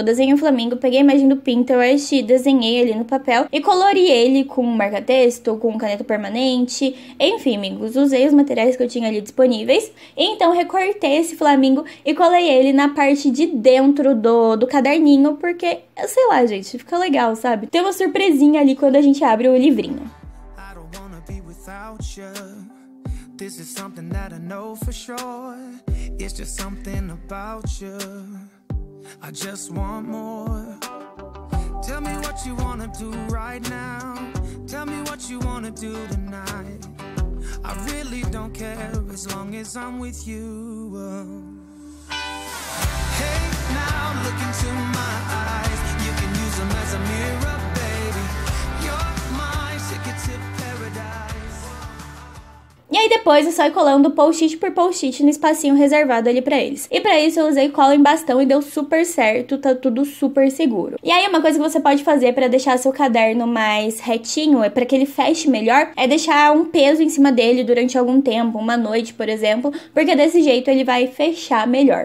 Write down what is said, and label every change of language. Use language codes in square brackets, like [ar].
[pt] Eu desenhei um flamingo, peguei a imagem do Pinterest, desenhei ele no papel e colori ele com marca-texto, com caneta permanente. Enfim, amigos, usei os materiais que eu tinha ali disponíveis. Então, recortei esse flamingo e colei ele na parte de dentro do caderninho, porque, sei lá, gente, fica legal, sabe? Tem uma surpresinha ali quando a gente abre o livrinho. [en] I don't wanna be without you. This is something that I know for sure. It's just something about you. I just want more. Tell me what you wanna do right now. Tell me what you wanna do tonight. I really don't care as long as I'm with you. Hey, now look into my eyes. You can use them as a mirror, baby. You're my ticket to paradise. [pt] E aí depois é só ir colando post-it por post-it no espacinho reservado ali pra eles. E pra isso eu usei cola em bastão e deu super certo, tá tudo super seguro. E aí uma coisa que você pode fazer pra deixar seu caderno mais retinho, é pra que ele feche melhor, é deixar um peso em cima dele durante algum tempo, uma noite, por exemplo, porque desse jeito ele vai fechar melhor.